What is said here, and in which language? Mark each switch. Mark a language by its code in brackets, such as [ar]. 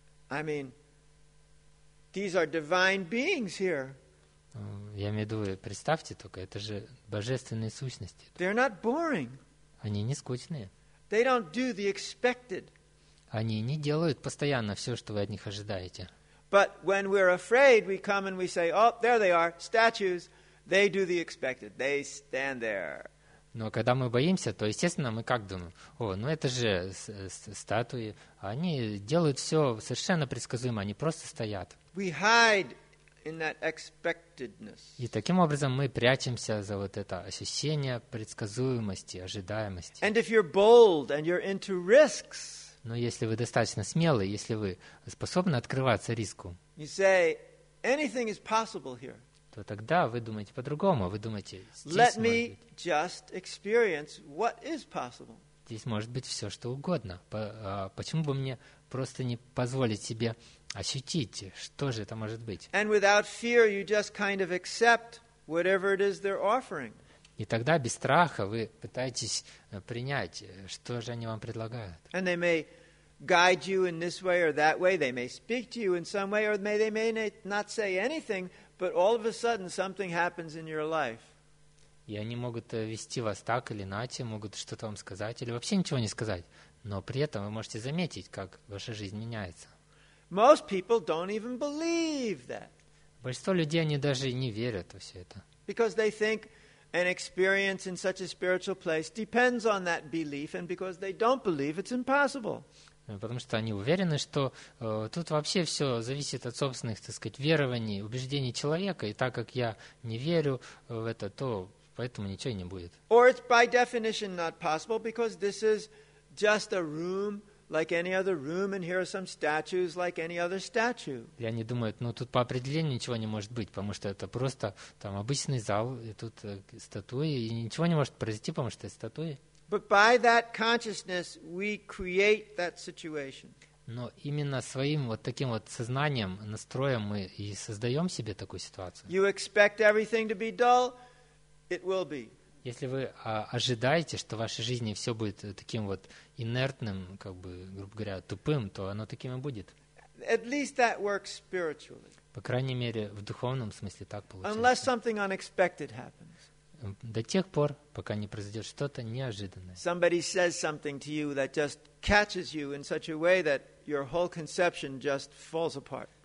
[en] I mean, these are divine beings here. [ru] Я имею в виду, представьте только, это же божественные сущности. [en] They're not boring. [ru] Они не скучные. [en] They don't do the expected. [ru] Они не делают постоянно все, что вы от них ожидаете. [en] But when we're afraid, we come and we say, "Oh, there they are, statues. They do the expected. They stand there." [ru] Но когда мы боимся, то естественно мы как думаем: "О, ну это же статуи. Они делают все совершенно предсказуемо. Они просто стоят." [en] We hide in that expectedness. [ru] И таким образом мы прячемся за вот это ощущение предсказуемости, ожидаемости. [en] And if you're bold and you're into risks. [ru] Но если вы достаточно смелый, если вы способны открываться риску, [en] you say, anything is possible here. [ru] То тогда вы думаете по-другому. Вы думаете, [en] Let me just experience what is possible. [ru] Здесь может быть все, что угодно. Почему бы мне просто не позволить себе ощутить, что же это может быть? [en] And without fear, you just kind of accept whatever it is they're offering. [ru] И тогда без страха вы пытаетесь принять, что же они вам предлагают. [en] And they may guide you in this way or that way. They may speak to you in some way, or they may not say anything, but all of a sudden something happens in your life. [ru] И они могут вести вас так или иначе, могут что-то вам сказать или вообще ничего не сказать, но при этом вы можете заметить, как ваша жизнь меняется. [en] Most people don't even believe that. [ru] Большинство людей, они даже не верят во все это. [en] Because they think an experience in such a spiritual place depends on that belief, and because they don't believe, it's impossible. [ru] Потому что они уверены, что тут вообще все зависит от собственных, так сказать, верований, убеждений человека, и так как я не верю в это, то поэтому ничего не будет. [en] Or it's by definition not possible because this is just a room like any other room, and here are some statues like any other statue. [ru] И они думают, ну тут по определению ничего не может быть, потому что это просто там обычный зал, и тут статуи, и ничего не может произойти, потому что это статуи. [en] But by that consciousness, we create that situation. [ru] Но именно своим вот таким вот сознанием, настроем мы и создаем себе такую ситуацию. [en] You expect everything to be dull, it will be. [ru] Если вы ожидаете, что в вашей жизни все будет таким вот инертным, как бы, грубо говоря, тупым, то оно таким и будет. [en] At least that works spiritually. [ru] По крайней мере, в духовном смысле так получается. [en] Unless something unexpected happens. [ru] До тех пор, пока не произойдет что-то неожиданное. [en] Somebody says something to you that just catches you in such a way that your whole conception just falls apart.